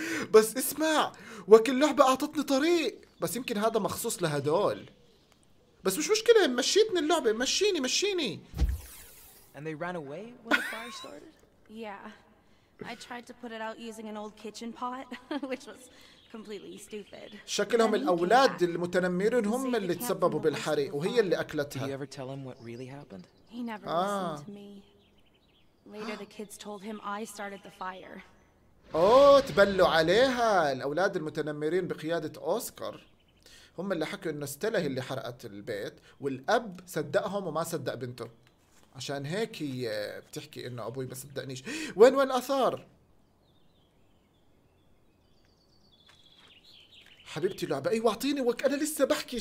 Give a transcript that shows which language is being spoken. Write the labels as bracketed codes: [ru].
[ar] بس اسمع وكل لعبة اعطتني طريق بس يمكن هذا مخصوص لهدول. بس مش مشكلة مشيتني اللعبة مشيني مشيني. [en] And they ran away when the fire started? Yeah. I tried to put it out using an old kitchen pot which was completely stupid. [ar] شكلهم الاولاد المتنمرين هم اللي تسببوا بالحريق وهي اللي اكلتها. [en] Did you ever tell him what really happened? He never listened to me. Later the kids told him I started the fire. [ar] تبلوا عليها الاولاد المتنمرين بقياده اوسكار. هم اللي حكوا انه ستيلا هي اللي حرقت البيت والاب صدقهم وما صدق بنته. عشان هيك هي بتحكي انه ابوي ما صدقنيش. وين اثار؟ حبيبتي لعبة ايوه اعطيني وك انا لسه بحكي.